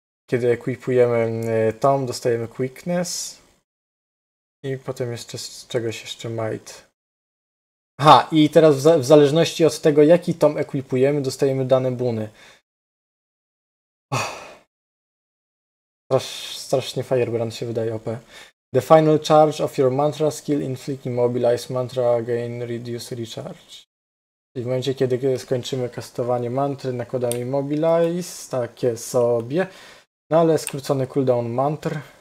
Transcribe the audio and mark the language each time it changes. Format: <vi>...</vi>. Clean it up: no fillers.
<pl>Kiedy ekwipujemy tom, dostajemy quickness. I potem jeszcze z czegoś jeszcze might. Aha, i teraz w zależności od tego, jaki tom ekwipujemy, dostajemy dane buny. Strasznie Firebrand się wydaje OP.</pl> <en>The final charge of your mantra skill inflict immobilize mantra again reduce recharge.</en> <pl>Czyli w momencie, kiedy skończymy kastowanie mantry, nakładamy immobilize, takie sobie. No ale skrócony cooldown mantr.</pl>